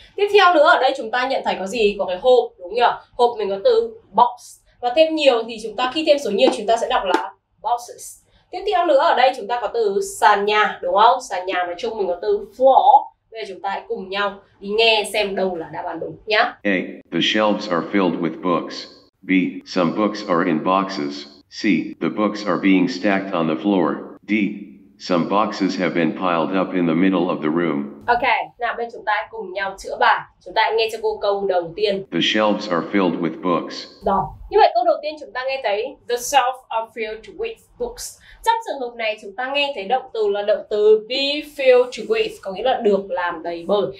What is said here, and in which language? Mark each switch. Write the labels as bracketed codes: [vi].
[vi] Tiếp theo nữa ở đây chúng ta nhận thấy có gì? Có cái hộp đúng nhỉ? Hộp mình có từ box. Và thêm nhiều thì chúng ta khi thêm số nhiều chúng ta sẽ đọc là boxes. Tiếp theo nữa ở đây chúng ta có từ sàn nhà đúng không? Sàn nhà nói chung mình có từ floor. Bây giờ chúng ta hãy cùng nhau đi nghe xem đâu là đáp án đúng nhá. [en] A. The shelves are filled with books. B. Some books are in boxes. C. The books are being stacked on the floor. D. Some boxes have been piled up in the middle of the room. [vi] Okay, nào bên chúng ta cùng nhau chữa bài. Chúng ta nghe cho cô câu đầu tiên. [en] The shelves are filled with books. [vi] Đó. Như vậy câu đầu tiên chúng ta nghe thấy the shelves are filled with books. Trong trường hợp này chúng ta nghe thấy động từ là động từ be filled with, có nghĩa là được làm đầy bởi.